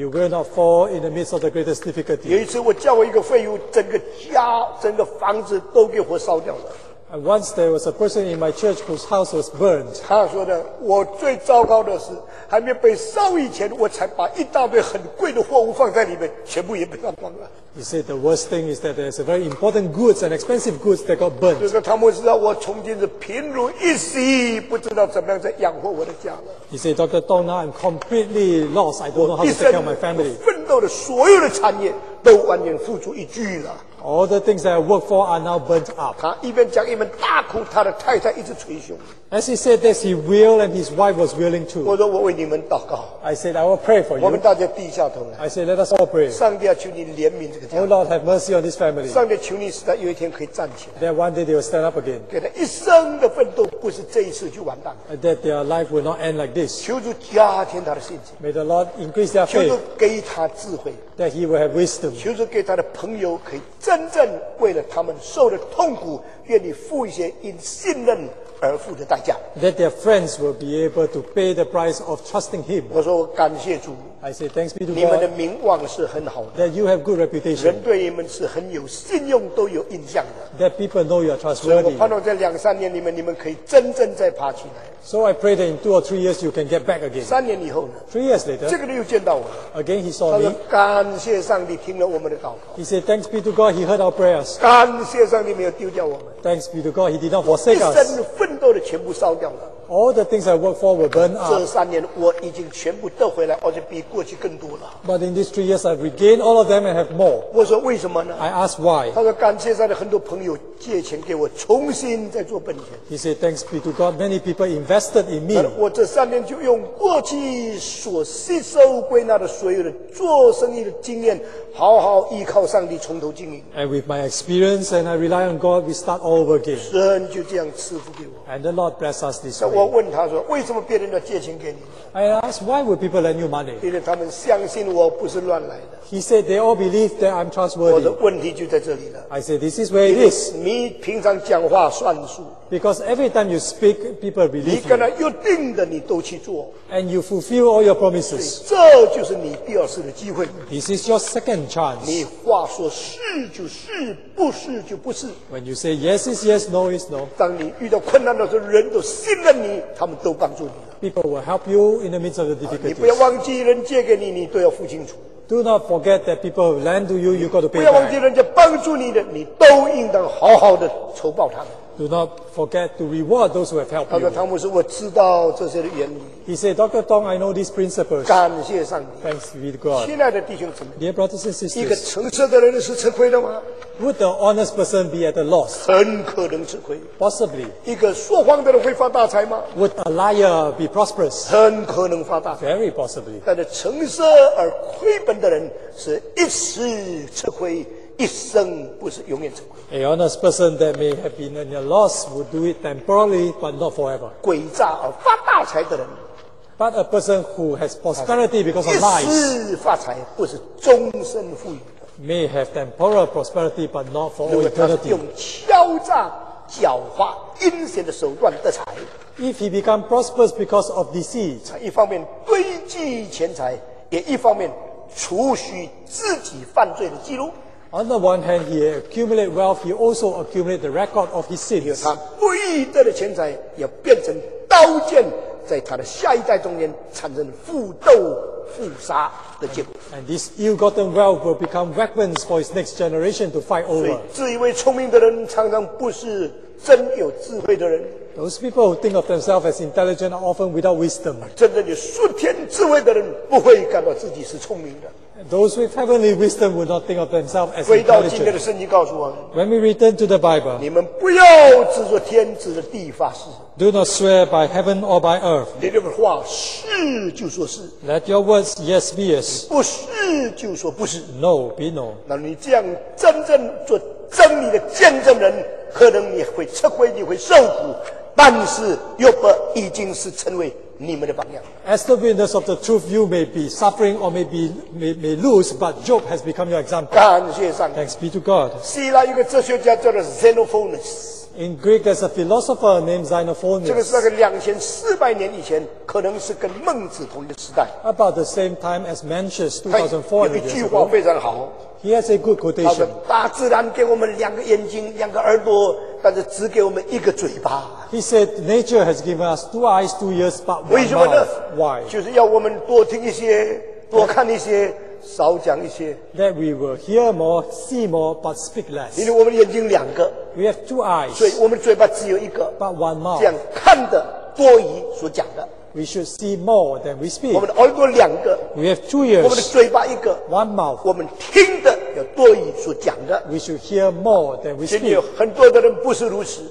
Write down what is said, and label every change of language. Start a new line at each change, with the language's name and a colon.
English: you will not fall in the midst of the greatest difficulty.
Chinese: 有一次我叫我一个废物整个家整个房子都给火烧掉了
English: And once there was a person in my church whose house was burned.
Chinese: 他说的我最糟糕的是还没被烧以前我才把一大堆很贵的货物放在里面全部也被烧光了
English: He said the worst thing is that there's a very important goods and expensive goods that got burnt.
Chinese: 就是他们知道我从今是贫如一席，不知道怎么样在养活我的家了。
English: He said, Dr. Dong, now I'm completely lost. I don't know how to take care of my family.
Chinese: 奋斗的所有的产业都完全付诸一炬了。
English: All the things that I work for are now burnt up.
Chinese: 他一边讲一边大哭，他的太太一直捶胸。
English: As he said this, he wailed and his wife was wailing too.
Chinese: 我说我为你们祷告。
English: I said, I will pray for you.
Chinese: 我们大家低下头来。
English: I said, let us all pray.
Chinese: 上帝啊，求你怜悯。
English: Oh Lord, have mercy on this family.
Chinese: 上帝求你使他有一天可以站起来。
English: That one day they will stand up again.
Chinese: 给他一生的奋斗，不是这一次就完蛋。
English: That their life will not end like this.
Chinese: 求主加添他的信心。
English: May the Lord increase their faith.
Chinese: 求主给他智慧。
English: That he will have wisdom.
Chinese: 求主给他的朋友可以真正为了他们受的痛苦，愿意付一些因信任而付的代价。
English: That their friends will be able to pay the price of trusting him.
Chinese: 我说我感谢主。
English: I say thanks be to God.
Chinese: 你们的名望是很好的。
English: That you have good reputation.
Chinese: 人对你们是很有信用，都有印象的。
English: That people know you are trustworthy.
Chinese: 所以我盼望在两三年里面，你们可以真正再爬起来。
English: So I pray that in two or three years you can get back again.
Chinese: 三年以后呢
English: ？Three years later.
Chinese: 这个人又见到我。
English: Again he saw me.
Chinese: 他说感谢上帝听了我们的祷告。
English: He said thanks be to God. He heard our prayers.
Chinese: 感谢上帝没有丢掉我们。
English: Thanks be to God. He did not forsake us.
Chinese: 一生奋斗的全部烧掉了。
English: All the things I worked for were burned up.
Chinese: 这三年我已经全部得回来，而且比过去更多了。
English: But in these 3 years, I've regained all of them and have more.
Chinese: 我说为什么呢
English: ？I asked why.
Chinese: 他说感谢上帝，很多朋友借钱给我，重新再做本钱。
English: He said, "Thanks be to God, many people invested in me."
Chinese: 我这三年就用过去所吸收归纳的所有的做生意的经验，好好依靠上帝，从头经营。
English: And with my experience and I rely on God, we start all over again.
Chinese: 神就这样赐福给我。
English: And the Lord bless us this way.
Chinese: 我问他说：“为什么别人要借钱给你
English: ？”I asked why would people lend you money？
Chinese: 因为他们相信我不是乱来的。
English: He said they all believe that I'm trustworthy。
Chinese: 我的问题就在这里了。
English: I said this is where it is。
Chinese: 你平常讲话算数。
English: Because every time you speak, people believe you。
Chinese: 你跟他约定的，你都去做。
English: And you fulfill all your promises。
Chinese: 这就是你第二次的机会。
English: This is your second chance。
Chinese: 你话说是就是，不是就不是。
English: When you say yes is yes, no is no。
Chinese: 当你遇到困难的时候，人都信任你，他们都帮助你了。
English: People will help you in the midst of the difficulties。
Chinese: 你不要忘记，人借给你，你都要付清楚。
English: Do not forget that people lend to you, you've got to pay back.
Chinese: 不要忘记人家帮助你的，你都应当好好的酬报他们。
English: Do not forget to reward those who have helped you.
Chinese: 他说：“汤姆斯，我知道这些的原理。”
English: He said, Dr. Dong, I know these principles.
Chinese: 感谢上帝。
English: Thanks be to God.
Chinese: 亲爱的弟兄姊妹
English: ，Dear brothers and sisters,
Chinese: 一个诚实的人是吃亏的吗
English: ？Would the honest person be at a loss?
Chinese: 很可能吃亏。
English: Possibly.
Chinese: 一个说谎的人会发大财吗
English: ？Would a liar be prosperous?
Chinese: 很可能发大财。
English: Very possibly.
Chinese: 但是诚实而亏本的人是一时吃亏。一生不是永远吃亏。
English: A honest person that may have been in a loss would do it temporarily, but not forever.
Chinese: 诡诈而发大财的人。
English: But a person who has prosperity because of lies.
Chinese: 一时发财不是终身富有。
English: May have temporal prosperity, but not for all eternity.
Chinese: 用敲诈、狡猾、阴险的手段得财。
English: If he become prosperous because of deceit.
Chinese: 一方面堆积钱财，也一方面除去自己犯罪的记录。
English: On the one hand, he accumulates wealth, he also accumulates the record of his sins.
Chinese: 因为他不义德的钱财也变成刀剑，在他的下一代中间产生互斗、互杀的结果。
English: And this ill-gotten wealth will become weapons for his next generation to fight over.
Chinese: 所以自以为聪明的人常常不是真有智慧的人。
English: Those people who think of themselves as intelligent are often without wisdom.
Chinese: 真正有顺天智慧的人不会感到自己是聪明的。
English: Those with heavenly wisdom would not think of themselves as intelligent.
Chinese: 回到今天的圣经告诉我们。
English: When we return to the Bible,
Chinese: 你们不要执着天子的地发誓。
English: Do not swear by heaven or by earth.
Chinese: 你这个话是就说是。
English: Let your words yes be yes.
Chinese: 不是就说不是。
English: No be no.
Chinese: 那你这样真正做真理的见证人，可能你会吃亏，你会受苦，但是约伯已经是成为你们的榜样。
English: As the witness of the truth, you may be suffering or may lose, but Job has become your example.
Chinese: 感谢上帝。
English: Thanks be to God.
Chinese: 希腊一个哲学家叫做 Xenophonus。
English: In Greek, there's a philosopher named Xenophonus.
Chinese: 这个是那个2400年以前，可能是跟孟子同一个时代。
English: About the same time as Mencius, 2400 years ago.
Chinese: 有一句话非常好。
English: He has a good quotation.
Chinese: 大自然给我们两个眼睛，两个耳朵，但是只给我们一个嘴巴。
English: He said, nature has given us two eyes, two ears, but one mouth.
Chinese: 为什么呢？
English: Why?
Chinese: 就是要我们多听一些，多看一些。少讲一些。
English: That we will hear more, see more, but speak less.
Chinese: 因为我们眼睛两个。
English: We have two eyes.
Chinese: 所以我们嘴巴只有一个。
English: But one mouth.
Chinese: 这样看的多于所讲的。
English: We should see more than we speak.
Chinese: 我们的耳朵两个。
English: We have two ears.
Chinese: 我们的嘴巴一个。
English: One mouth.
Chinese: 我们听的要多于所讲的。
English: We should hear more than we speak.
Chinese: 其实有很多的人不是如此。